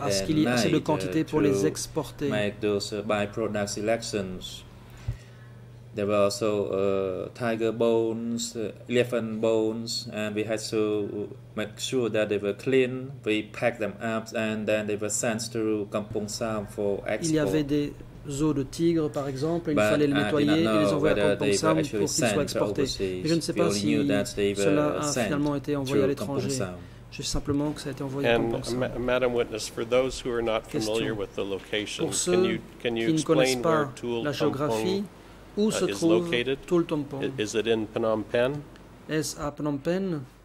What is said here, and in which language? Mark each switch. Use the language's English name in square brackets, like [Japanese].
[French] à ce qu'il y ait assez de quantité pour les exporter. [English] Make those by-product selections. There were also tiger bones, elephant bones, and we had to make sure that they were clean. We packed them up, and then they were sent to Kampong Sam for export. [French] Il y avait des zoos de tigres, par exemple, il fallait les nettoyer et les envoyer à Kampong Sam pour qu'ils soient exportés. Et je ne sais pas si cela a finalement été envoyé à l'étranger. Je sais simplement que ça a été envoyé [English] and [French] à Kampong Sam. [English] Madam Witness, for those who are not familiar with the location, [French] pour ceux qui ne connaissent pas la géographie, où se trouve Toltong Pong? [English] Is it in Phnom Penh? [French] Est-ce à Phnom Penh?